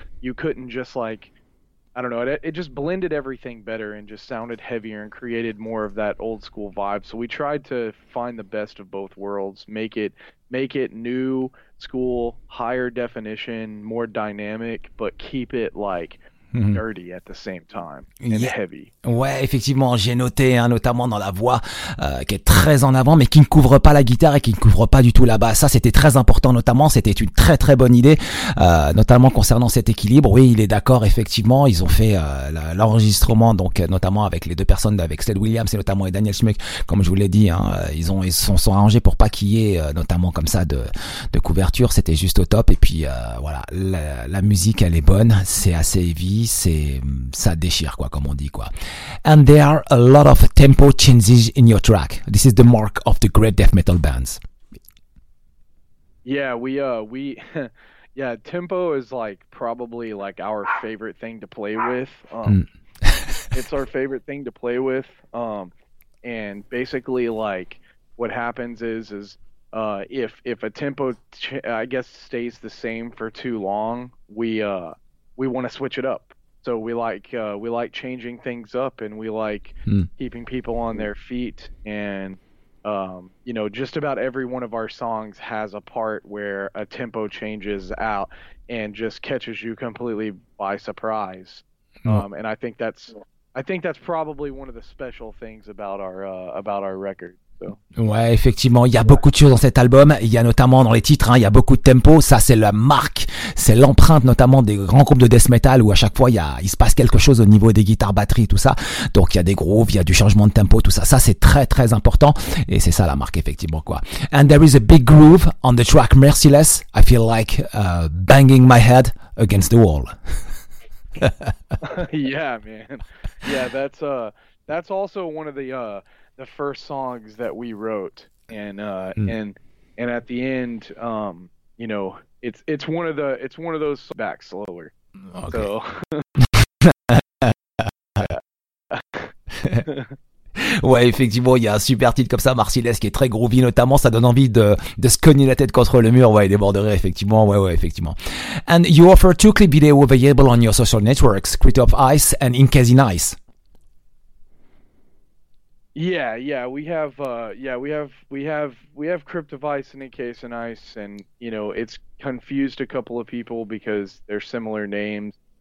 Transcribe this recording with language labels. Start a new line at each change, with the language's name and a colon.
English: You couldn't just like, I don't know, it just blended everything better and just sounded heavier and created more of that old school vibe. So we tried to find the best of both worlds, make it new school, higher definition, more dynamic, but keep it like dirty at the same time and heavy.
French: Ouais, effectivement, j'ai noté, hein, notamment dans la voix qui est très en avant, mais qui ne couvre pas la guitare et qui ne couvre pas du tout la basse. Ça, c'était très important, notamment. C'était une très très bonne idée, notamment concernant cet équilibre. Oui, il est d'accord, effectivement. Ils ont fait l'enregistrement, donc notamment avec les deux personnes, avec Sled Williams et notamment et Daniel Schmuck. Comme je vous l'ai dit, hein, ils sont arrangés pour pas qu'il y ait notamment comme ça de couverture. C'était juste au top. Et puis voilà, la musique, elle est bonne. C'est assez heavy. C'est ça déchire, quoi, comme on dit, quoi.
English: And there are a lot of tempo changes in your track. This is the mark of the great death metal bands. Yeah, tempo is like probably like our favorite thing to play with. It's our favorite thing to play with. And basically, like, what happens is if a tempo stays the same for too long, we want to switch it up. So we like changing things up, and we like keeping people on their feet. And, you know, just about every one of our songs has a part where a tempo changes out and just catches you completely by surprise. And I think that's probably one of the special things about our record.
French: Ouais, effectivement, il y a beaucoup de choses dans cet album. Il y a notamment dans les titres, hein, il y a beaucoup de tempo. Ça, c'est la marque, c'est l'empreinte notamment des grands groupes de death metal où à chaque fois il se passe quelque chose au niveau des guitares, batteries, tout ça. Donc il y a des grooves, il y a du changement de tempo, tout ça. Ça, c'est très très important et c'est ça la marque, effectivement, quoi.
English: And there is a big groove on the track Merciless. I feel like banging my head against the wall. Yeah, man. Yeah, that's also one of the first songs that we wrote, and at the end, you know, it's one of those back slower. Okay. So.
French: Ouais, effectivement, il y a un super titre comme ça, Marcellès, qui est très groovy, notamment, ça donne envie de se cogner la tête contre le mur, ouais, il déborderait, effectivement, ouais, effectivement.
English: And you offer two clip videos available on your social networks, Crypt of Ice and Encased in Ice. We have Crypt of Ice and Encased in Ice, and you know, it's confused a couple of people because they're similar names.